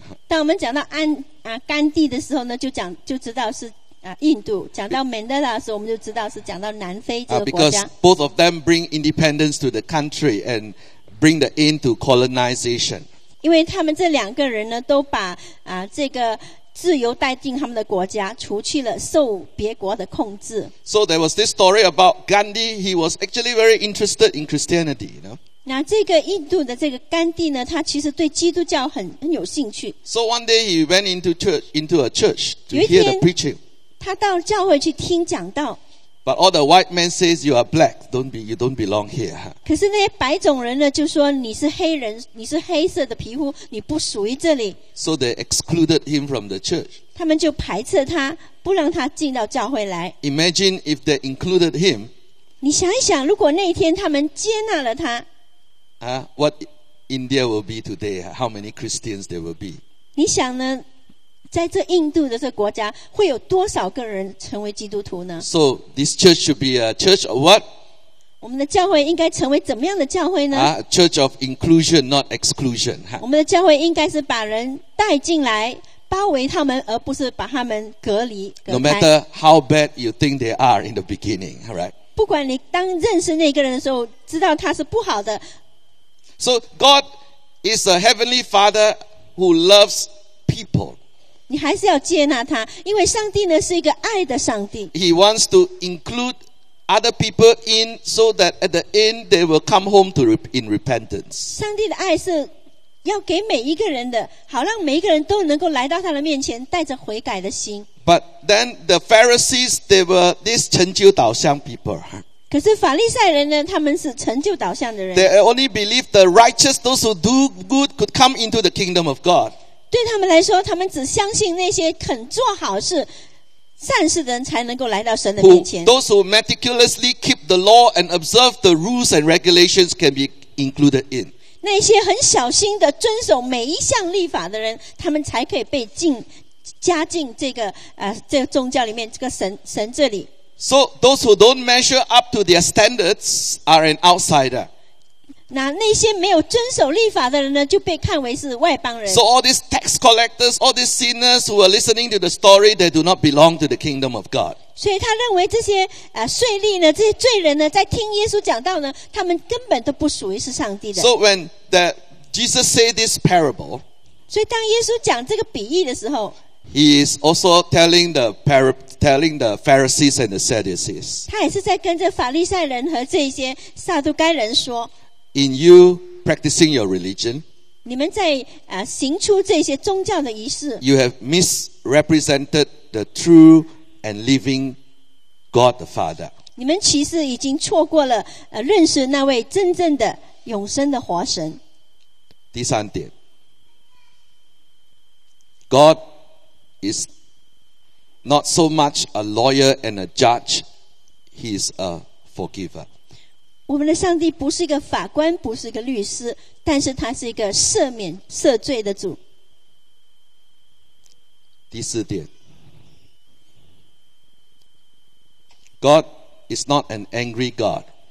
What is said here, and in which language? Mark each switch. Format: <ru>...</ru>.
<zh>当我们讲到甘地的时候呢，就知道是印度；讲到 Mandela 的时候，我们就知道是讲到南非这个国家。</zh> <en>Because both of them bring independence to the country and bring the end to colonization.</en> <zh>因为他们这两个人呢，都把这个自由带进他们的国家，除去了受别国的控制。</zh> <en>So there was this story about Gandhi. He was actually very interested in Christianity, you know.</en> <zh>那这个印度的这个甘地呢，他其实对基督教很有兴趣。</zh> <en>So one day he went into a church to hear the preaching.</en> <zh>他到教会去听讲道。</zh> <en>But all the white men says you are black, you don't belong here.</en> <zh>可是那些白种人呢，就说你是黑人，你是黑色的皮肤，你不属于这里。</zh> <en>So they excluded him from the church.</en> <zh>他们就排斥他，不让他进到教会来。</zh> <en>Imagine if they included him.</en> <zh>你想一想，如果那一天他们接纳了他。</zh> <en>What India will be today? How many Christians there will be?</en> <zh>你想呢？在这印度的这国家，会有多少个人成为基督徒呢？</zh> <en>So this church should be a church of what?</en> <zh>我们的教会应该成为怎么样的教会呢？</zh> <en>Church of inclusion, not exclusion.</en> <zh>我们的教会应该是把人带进来，包围他们，而不是把他们隔离。</zh> <en>No matter how bad you think they are in the beginning, right?</en> <zh>不管你当认识那个人的时候，知道他是不好的。</zh> <en>So God is a heavenly Father who loves people.</en> <zh>你还是要接纳他，因为上帝呢是一个爱的上帝。</zh> <en>He wants to include other people in so that at the end they will come home to in repentance.</en> <zh>上帝的爱是要给每一个人的，好让每一个人都能够来到他的面前，带着悔改的心。</zh> <en>But then the Pharisees, they were these</en> <zh>成就导向</zh> <en>people.</en> <zh>可是法利赛人呢，他们是成就导向的人。</zh> <en>They only believe the righteous, those who do good, could come into the kingdom of God.</en> <zh>对他们来说，他们只相信那些肯做好事、善事的人才能够来到神的面前。</zh> <en>Those who meticulously keep the law and observe the rules and regulations can be included in.</en> <zh>那些很小心的遵守每一项律法的人，他们才可以被加进这个宗教里面，这个神这里。</zh> <en>So those who don't measure up to their standards are an outsider.</en> <zh>那些没有遵守律法的人呢，就被看为是外邦人。</zh> <en>So all these tax collectors, all these sinners who are listening to the story, they do not belong to the kingdom of God.</en> <zh>所以他认为这些税吏呢，这些罪人呢，在听耶稣讲道呢，他们根本都不属于是上帝的。</zh> <en>So when that Jesus say this parable,</en> <zh>所以当耶稣讲这个比喻的时候。</zh> <en>He is also telling the Pharisees and the Sadducees.</en> <zh>他也是在跟着法利赛人和这些撒都该人说。</zh> <en>In you practicing your religion,</en> <zh>你们在行出这些宗教的仪式。</zh> <en>You have misrepresented the true and living God the Father.</en> <zh>你们其实已经错过了认识那位真正的永生的活神。第三点</zh> <en>God. Is not so much a lawyer and a judge. He is a forgiver.</en> <zh>我们的上帝不是一个法官，不是一个律师，但是他是一个赦免赦罪的主。第四点</zh> <en>，God is not an angry God.</en>